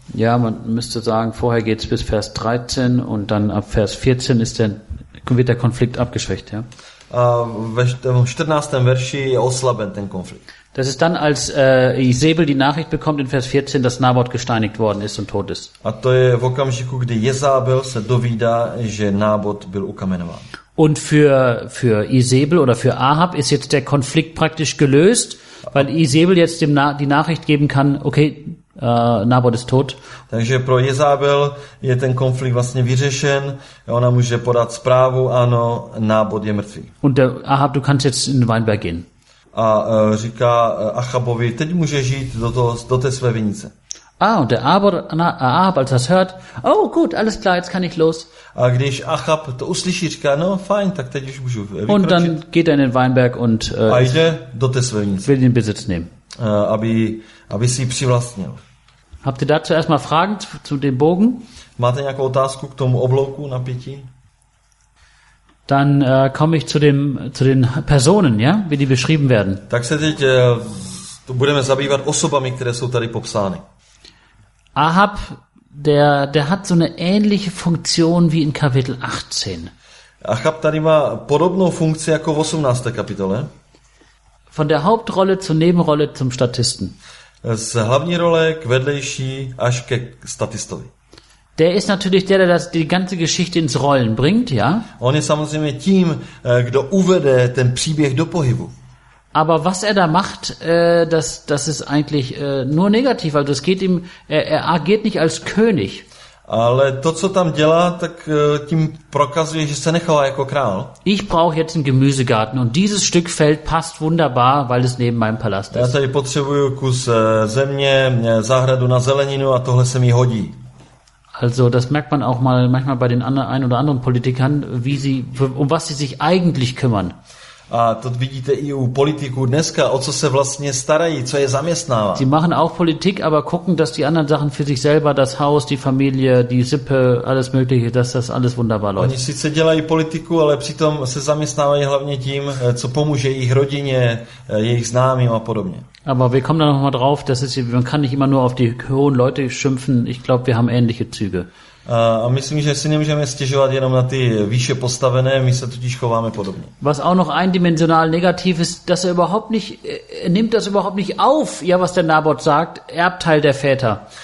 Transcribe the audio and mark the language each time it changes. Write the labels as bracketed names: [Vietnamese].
[German] Ja, man müsste sagen, vorher geht's bis Vers 13 und dann ab Vers 14 wird der Konflikt abgeschwächt, ja. [Czech] A ve 14. verši je oslaben ten konflikt. [German] Das ist dann, als Jezebel die Nachricht bekommt in Vers 14, dass Nabot gesteinigt worden ist und tot ist. [Czech] A to je v okamžiku, kdy Jezábel se dovídá, že Nabot byl ukamenován. [German] Und für Jezebel oder für Ahab ist jetzt der Konflikt praktisch gelöst, weil Jezebel jetzt die Nachricht geben kann, okay, Nabot ist tot. [Czech] Takže pro Jezábel je ten konflikt vlastně vyřešen, ona může podat zprávu, ano, Nabot je mrtvý. [German] Und Ahab, du kannst jetzt in den Weinberg gehen. [Czech] A říká Achabovi, teď může žít do té své vinice. [German] Und der Ahab, als das hört, oh gut, alles klar, jetzt kann ich los. [Czech] A když Achab to uslyší, říká, no fajn, tak teď už můžu vykročit. [German] Und dann geht er in den Weinberg und [Czech] a jde do té své vinice. [German] Will den Besitz nehmen. [Czech] Aby si ji přivlastnil. [German] Habt ihr dazu erstmal Fragen zu dem Bogen? [Czech] Máte nějakou otázku k tomu oblouku napětí? [German] Dann komme ich zu den Personen, ja, wie die beschrieben werden. [Czech] Tak se teď budeme zabývat osobami, které jsou tady popsány. [German] Ahab, der hat so eine ähnliche Funktion wie in Kapitel 18. [Czech] Ahab tady má podobnou funkci jako v 18. kapitole. [German] Von der Hauptrolle zur Nebenrolle zum Statisten. [Czech] Z hlavní role k vedlejší až ke statistovi. [German] Der ist natürlich der das die ganze Geschichte ins Rollen bringt, ja? [Czech] On je samozřejmě tím, kdo uvede ten příběh do pohybu. [German] Aber was er da macht, das ist eigentlich nur negativ, also es geht ihm er agiert nicht als König. [Czech] Ale to, co tam dělá, tak tím prokazuje, že se nechová jako král. [German] Ich brauche jetzt einen Gemüsegarten und dieses Stück Feld passt wunderbar, weil es neben meinem Palast ist. [Czech] Já tady potřebuju kus země, zahradu na zeleninu a tohle se mi hodí. [German] Also das merkt man auch mal manchmal bei den ein oder anderen Politikern, wie sie, um was sie sich eigentlich kümmern. [Czech] A to vidíte i u politiků dneska, o co se vlastně starají, co je zaměstnává. [German] Sie machen auch Politik, aber gucken, dass die anderen Sachen für sich selber, das Haus, die Familie, die Sippe, alles mögliche, dass das alles wunderbar läuft. [Czech] Oni sice dělají politiku, ale přitom se zaměstnávají hlavně tím, co pomůže jejich rodině, jejich známým a podobně. [German] Aber wir kommen da noch mal drauf, das ist, man kann nicht immer nur auf die hohen Leute schimpfen, ich glaube, wir haben ähnliche Züge. [Czech] A myslím, že si nemůžeme stěžovat jenom na ty výše postavené, my se totiž chováme podobně. [German] Was auch noch eindimensional negativ ist, dass er überhaupt nicht, nimmt das überhaupt nicht auf, ja, was der Nabot sagt, Erbteil der Väter.